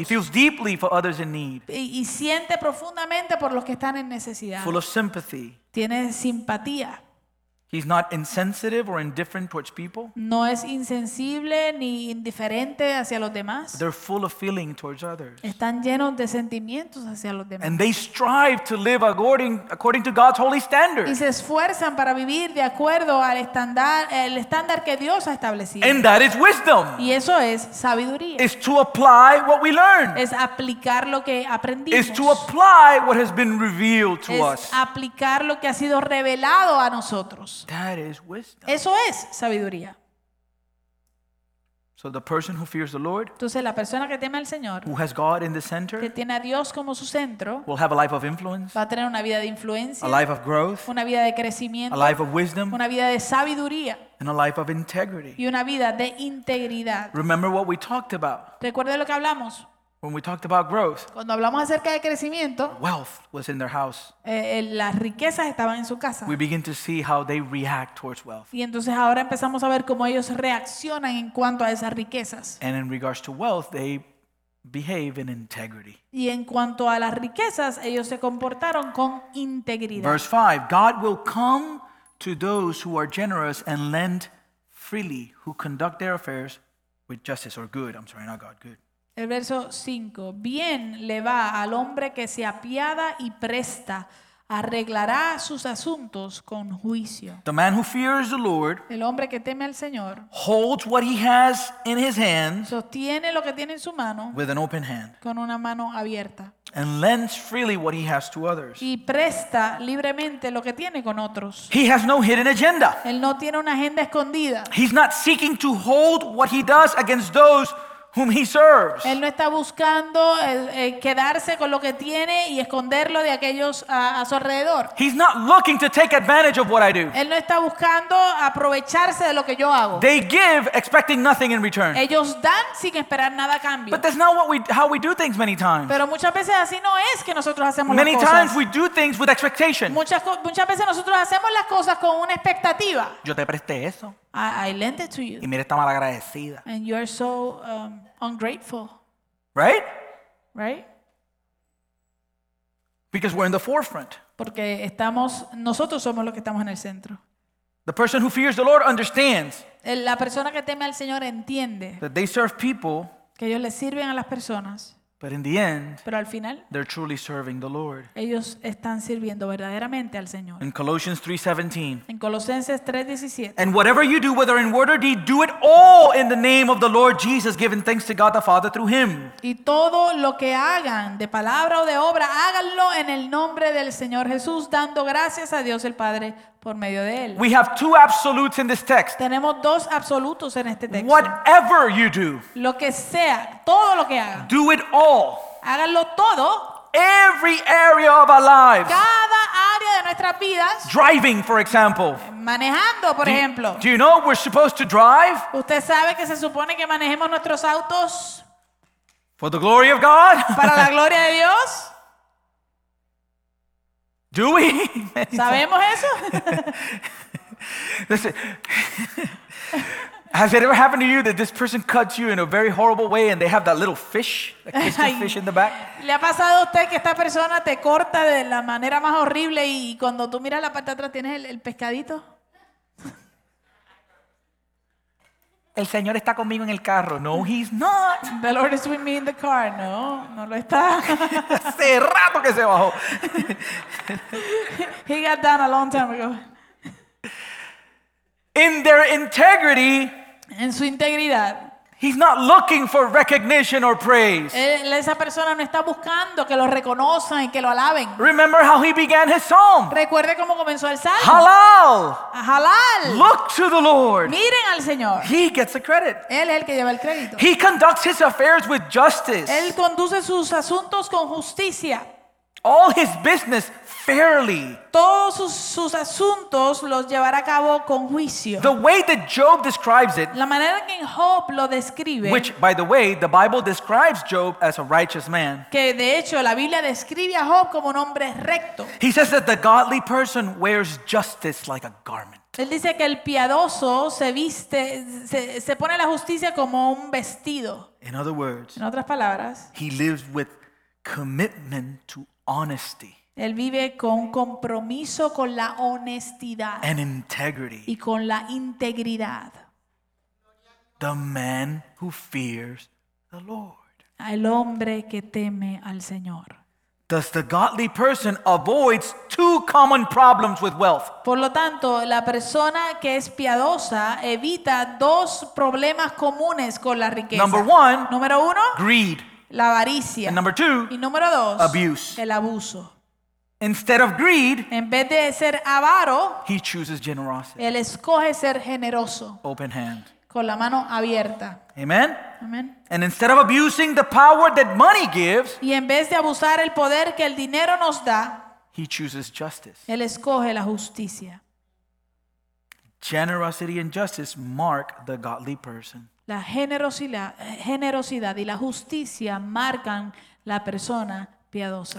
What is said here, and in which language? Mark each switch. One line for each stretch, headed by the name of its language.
English: He feels deeply for others in need.
Spanish: Y siente profundamente por los que están en necesidad.
English: Full of sympathy.
Spanish: Tiene simpatía.
English: He's not insensitive or indifferent towards people.
Spanish: No es insensible ni indiferente hacia los demás.
English: They're full of feeling towards others.
Spanish: Están llenos de sentimientos hacia los demás.
English: And they strive to live according to God's holy standard.
Spanish: Y se esfuerzan para vivir de acuerdo al estándar, el estándar que Dios ha establecido.
English: And that is wisdom.
Spanish: Y eso es sabiduría.
English: Is to apply what we learn.
Spanish: Es aplicar lo que aprendimos.
English: Is to apply what has been revealed to us.
Spanish: Es aplicar lo que ha sido revelado a nosotros.
English: That is wisdom.
Spanish: Eso es sabiduría.
English: So the person who fears the Lord,
Spanish: entonces la persona que teme al Señor,
English: who has God in the center,
Spanish: que tiene a Dios como su centro,
English: will have a life of influence,
Spanish: va a tener una vida de influencia,
English: a life of growth,
Spanish: una vida de crecimiento,
English: a life of wisdom,
Spanish: una vida de sabiduría,
English: and a life of integrity,
Spanish: y una vida de integridad.
English: Remember what we talked about.
Spanish: Recuerde lo que hablamos.
English: When we talked about growth,
Spanish: cuando hablamos acerca de crecimiento,
English: wealth was in their house.
Spanish: Las riquezas estaban en su casa.
English: We begin to see how they react towards wealth.
Spanish: Y entonces ahora empezamos a ver cómo ellos reaccionan en cuanto a esas riquezas.
English: And in regards to wealth, they behave in integrity.
Spanish: Y en cuanto a las riquezas, ellos se comportaron con integridad.
English: Verse 5, God will come to those who are generous and lend freely, who conduct their affairs with justice or good. I'm sorry, not God, good.
Spanish: El verso 5, bien le va al hombre que se apiada y presta, arreglará sus asuntos con juicio.
English: The man who fears the Lord,
Spanish: el hombre que teme al Señor,
English: holds what he has in his hand,
Spanish: sostiene lo que tiene en su mano,
English: with an open hand,
Spanish: con una mano abierta,
English: and lends freely what he has to others.
Spanish: Y presta libremente lo que tiene con otros.
English: He has no hidden agenda.
Spanish: Él no tiene una agenda escondida.
English: He's not seeking to hold what he does against those whom he serves.
Spanish: Él no está buscando quedarse con lo que tiene y esconderlo de aquellos a su alrededor.
English: He's not looking to take advantage of what I do.
Spanish: Él no está buscando aprovecharse de lo que yo hago.
English: They give expecting nothing in return.
Spanish: Ellos dan sin esperar nada a cambio.
English: But that's not how we do things many times.
Spanish: Pero muchas veces así no es que nosotros hacemos
English: many
Spanish: las cosas.
English: Many times we do things with expectation.
Spanish: Muchas veces nosotros hacemos las cosas con una expectativa. Yo te presté eso.
English: I lent it to you.
Spanish: Y mira, está mal agradecida.
English: And you're so ungrateful. Right? Right? Because we're in the forefront.
Spanish: Porque estamos, nosotros somos los que estamos en el centro.
English: The person who fears the Lord understands.
Spanish: La persona que teme al Señor entiende.
English: That they serve people.
Spanish: Que ellos le sirven a las personas.
English: But in the end,
Spanish: pero al final,
English: they're truly serving the Lord.
Spanish: Ellos están sirviendo verdaderamente al Señor.
English: In Colossians 3:17.
Spanish: En Colosenses 3:17.
English: And whatever you do, whether in word or deed, do it all in the name of the Lord Jesus, giving thanks to God the Father through Him.
Spanish: Y todo lo que hagan, de palabra o de obra, háganlo en el nombre del Señor Jesús, dando gracias a Dios el Padre por medio de él.
English: We have two absolutes in this text.
Spanish: Tenemos dos absolutos en este texto.
English: Whatever you do,
Spanish: lo que sea, todo lo que haga.
English: Do it all.
Spanish: Háganlo todo.
English: Every area of our lives.
Spanish: Cada área de nuestras vidas.
English: Driving, for example.
Spanish: Manejando, por ejemplo.
English: Do you know we're supposed to drive?
Spanish: ¿Usted sabe que se supone que manejemos nuestros autos?
English: For the glory of God.
Spanish: Para la gloria de Dios.
English: Do we?
Spanish: ¿Sabemos eso?
English: Has it ever happened to you that this person cuts you in a very horrible way and they have that little fish, that crystal fish in the back?
Spanish: ¿Le ha pasado a usted que esta persona te corta de la manera más horrible y cuando tú miras la parte de atrás tienes el pescadito? El Señor está conmigo en el carro.
English: No, he's not. The Lord is with me in the car.
Spanish: No, no lo está. Hace rato que se bajó.
English: He got down a long time ago. In their integrity.
Spanish: En su integridad.
English: He's not looking for recognition or praise.
Spanish: Esa persona no está buscando que lo reconozcan y que lo alaben.
English: Remember how he began his psalm.
Spanish: Recuerde cómo comenzó el salmo.
Hebrew: Halal. Halal.
English: Look to the Lord.
Spanish: Miren al Señor.
English: He gets the credit.
Spanish: Él es el que lleva el crédito.
English: He conducts his affairs with justice.
Spanish: Él conduce sus asuntos con justicia.
English: All his business fairly.
Spanish: Todos sus asuntos los llevará a cabo con juicio.
English: The way that Job describes it.
Spanish: La manera en que Job lo describe.
English: Which, by the way, the Bible describes Job as a righteous man.
Spanish: Que de hecho la Biblia describe a Job como un hombre recto.
English: He says that the godly person wears justice like a garment.
Spanish: Él dice que el piadoso se viste, se pone la justicia como un vestido.
English: In other words.
Spanish: En otras palabras.
English: He lives with commitment to honesty.
Spanish: Él vive con compromiso con la honestidad.
English: And integrity.
Spanish: Y con la integridad.
English: The man who fears the Lord.
Spanish: El hombre que teme al Señor.
English: Thus the godly person avoids two common problems with wealth.
Spanish: Por lo tanto, la persona que es piadosa evita dos problemas comunes con la riqueza.
English: Number one.
Spanish: Número uno.
English: Greed.
Spanish: La avaricia.
English: And number two.
Spanish: Y número dos.
English: Abuse.
Spanish: El abuso.
English: Instead of greed,
Spanish: en vez de ser avaro,
English: he chooses generosity.
Spanish: Él escoge ser generoso.
English: Open hand.
Spanish: Con la mano abierta.
English: Amen.
Spanish: Amen.
English: And instead of abusing the power that money gives,
Spanish: y en vez de abusar el poder que el dinero nos da,
English: he chooses justice.
Spanish: Él escoge la justicia.
English: Generosity and justice mark the godly person.
Spanish: La generosidad y la justicia marcan la persona piadosa.